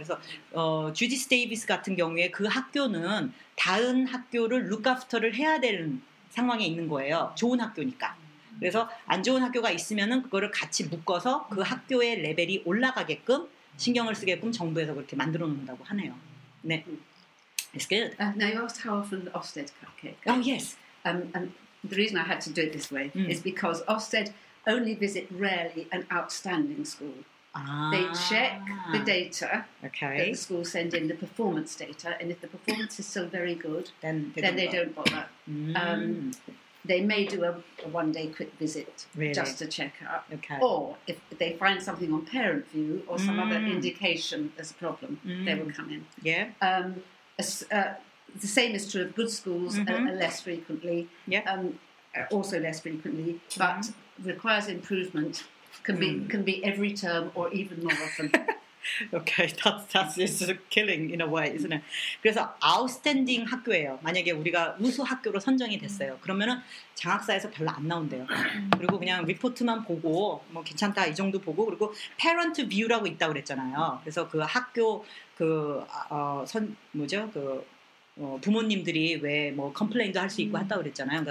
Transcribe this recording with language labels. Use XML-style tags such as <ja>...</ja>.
<ko>그래서 주디스 데이비스 같은 경우에 그 학교는 다른 학교를 룩아프터를 해야 되는 상황에 있는 거예요. 좋은 학교니까. 그래서 안 좋은 학교가 있으면은 그거를 같이 묶어서 그 학교의 레벨이 올라가게끔 신경을 쓰게끔 정부에서 그렇게 만들어 놓는다고 하네요. 네.</ko> <en>It's good. Now you asked how often Ofsted cupcake. Oh yes. And the reason I had to do it this way is because Ofsted only visit rarely an outstanding school. They check the data okay. that the school send in, the performance data, and if the performance is still very good, then they don't bother. They may do a one-day quick visit really? Just to check up. Okay. Or if they find something on parent view or some other indication there's a problem, they will come in. Yeah. The same is true of good schools less frequently, yeah. Also less frequently, but requires improvement, can be every term or even more often. Okay, that's just killing in a way, isn't it?</en> <ko>그래서 outstanding 학교예요. 만약에 우리가 우수 학교로 선정이 됐어요. 그러면은 장학사에서 별로 안 나온대요. 그리고 그냥 리포트만 보고 뭐 괜찮다 이 정도 보고 그리고 parent view라고 있다고 그랬잖아요. 그래서 그 학교 그 선 뭐죠 그 부모님들이 왜 뭐 컴플레인도 할 수 있고 했다고 그랬잖아요.</ko>